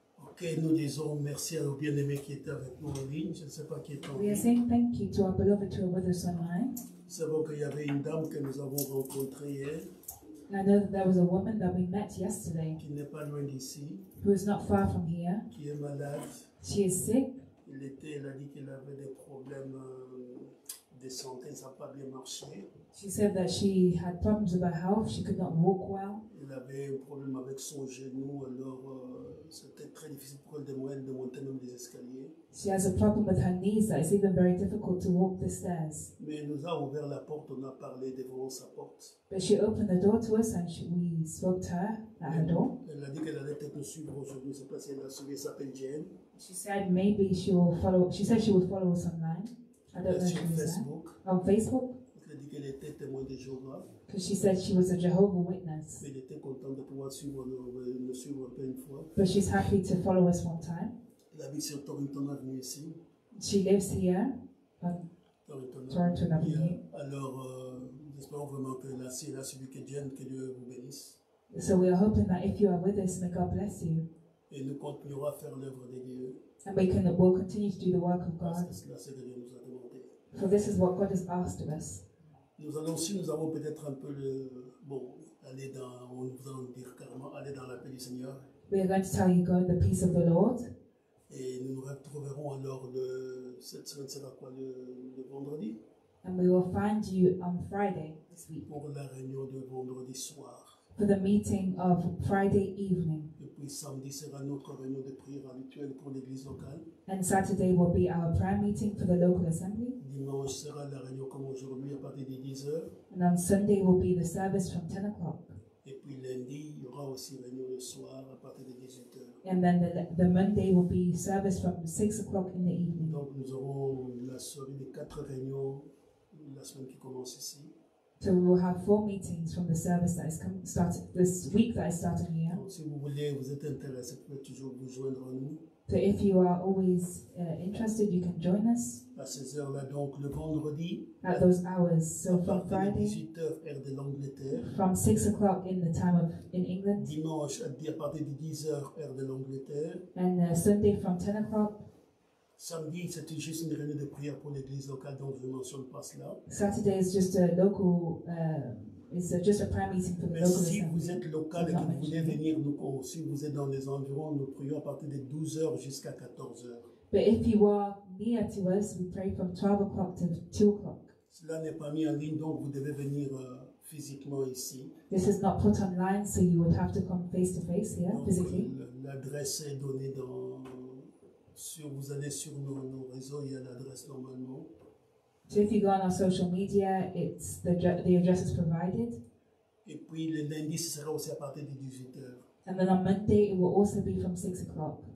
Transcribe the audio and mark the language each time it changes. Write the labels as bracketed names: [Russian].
[French] Ok, nous disons merci à nos bien-aimés qui étaient avec nous en ligne. Je ne sais pas qui est en ligne. [English] We are saying thank you to our beloved who are with us online. [French] Nous savons qu'il y avait une dame que nous avons rencontrée hier. [English] I know that there was a woman that we met yesterday. [French] Qui n'est pas loin d'ici. [English] Who is not far from here. [French] Qui est malade. [English] She is sick. [French] Elle a dit qu'elle avait des problèmes de santé, ça n'a pas bien marché. [English] She said that she had problems with her health, she could not walk well. [French] Elle avait un problème avec son genou, alors c'était très difficile pour elle de monter même les escaliers. [English] She has a problem with her knees, that is even very difficult to walk the stairs. [French] Mais elle nous a ouvert la porte, on a parlé devant sa porte. [English] But she opened the door to us and we spoke to her at her door. [French] Elle a dit qu'elle allait peut-être nous suivre aujourd'hui, c'est pas si elle a suivi, elle s'appelle Jane. [English] She said maybe she will follow, she said she would follow us online. [French] Sur Facebook. [English] On Facebook. [French] Elle a dit qu'elle était témoin de Jéhovah. [English] Because she said she was a Jehovah Witness. [French] Mais elle était contente de pouvoir nous suivre une fois. [English] But she's happy to follow us one time. [French] Elle habite sur Torrington Avenue ici. [English] She lives here. Torrington Avenue. [French] Alors, j'espère vraiment que si elle a suivi que Dieu vous bénisse. [English] So we are hoping that if you are with us, may God bless you. [French] Et nous continuerons à faire l'œuvre de Dieu. [English] And we'll continue to do the work of God. [French] Parce que Dieu nous a demandé. [English] For this is what God has asked of us. [French] Nous allons aussi, nous avons peut-être un peu le bon aller dans, on va en dire carrément, aller dans la paix du Seigneur. [English] We are going to tell you God the peace of the Lord. [French] Et nous nous retrouverons alors cette semaine sera quoi le vendredi. [English] And we will find you on Friday this week. [French] Pour la réunion de vendredi soir. [English] For the meeting of Friday evening. [French] Et puis samedi sera notre réunion de prière habituelle pour l'église locale. [English] And Saturday will be our prayer meeting for the local assembly. [French] Dimanche sera la réunion comme aujourd'hui à partir de 10h. [English] And on Sunday will be the service from 10 o'clock. [French] Et puis lundi, il y aura aussi réunion le soir à partir de 18h. [English] And then the Monday will be service from 6 o'clock in the evening. [French] Donc nous aurons la soirée des 4 réunions la semaine qui commence ici. [English] So we will have 4 meetings from the service that is started this week that is starting here. [French] Donc, si vous voulez, vous êtes intéressé, vous pouvez toujours vous joindre à nous. [English] So if you are always interested, you can join us. [French] À ces heures-là, donc le vendredi. [English] At those hours, so from Friday. [French] 18h, heure de l'Angleterre. [English] From 6 o'clock in the time of in England. [French] Dimanche à partir de 10h, heure de l'Angleterre. [English] And Sunday from 10 o'clock. [French] Samedi, c'est juste une réunion de prière pour l'église locale dont je ne mentionne pas cela. [English] Saturday is just a local, it's just a prayer meeting for the local assembly. [French] Mais si vous êtes local et que vous voulez venir, si vous êtes dans les environs, nous prions à partir de 12h jusqu'à 14h. [English] But if you are near to us, we pray from 12 o'clock to 2 o'clock. [French] Cela n'est pas mis en ligne, donc vous devez venir physiquement ici. [English] This is not put online, so you would have to come face to face here, physically. [French] L'adresse est donnée dans. Sur, vous allez sur nos réseaux, il y a l'adresse normalement. [English] So if you go on our social media, it's the address is provided. [French] Et puis le lundi, ce sera aussi à partir de 18h. [English] And then on Monday, it will also be from 6 o'clock.